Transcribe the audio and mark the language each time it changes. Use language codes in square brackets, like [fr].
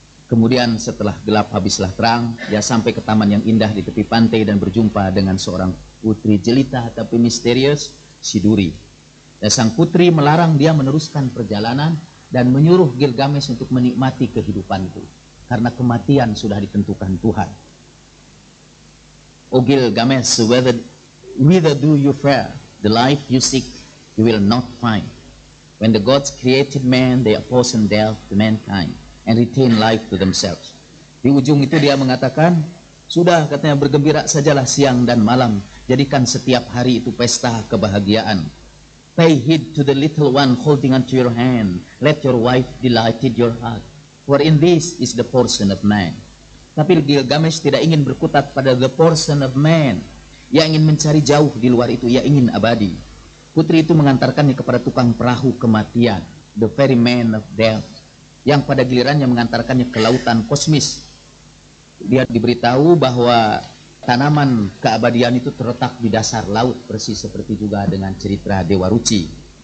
[id] Kemudian setelah gelap habislah terang, ia sampai ke taman yang indah di tepi pantai dan berjumpa dengan seorang putri jelita tapi misterius, Siduri. Dan sang putri melarang dia meneruskan perjalanan dan menyuruh Gilgamesh untuk menikmati kehidupan itu, karena kematian sudah ditentukan Tuhan. [en] O Gilgamesh, whither do you fare? The life you seek, you will not find. When the gods created man, they apportioned death to mankind and retain life to themselves. [id] Di ujung itu dia mengatakan, sudah, katanya, bergembira sajalah siang dan malam, jadikan setiap hari itu pesta kebahagiaan. [en] Pay heed to the little one holding onto your hand, let your wife delighted your heart, for in this is the portion of man. [id] Tapi Gilgamesh tidak ingin berkutat pada [en] the portion of man. [id] Ia ingin mencari jauh di luar itu, ia ingin abadi. Putri itu mengantarkannya kepada tukang perahu kematian, [en] the very man of death, [id] yang pada gilirannya mengantarkannya ke lautan kosmis. Dia diberitahu bahwa tanaman keabadian itu terletak di dasar laut, persis seperti juga dengan cerita Dewa Ruci.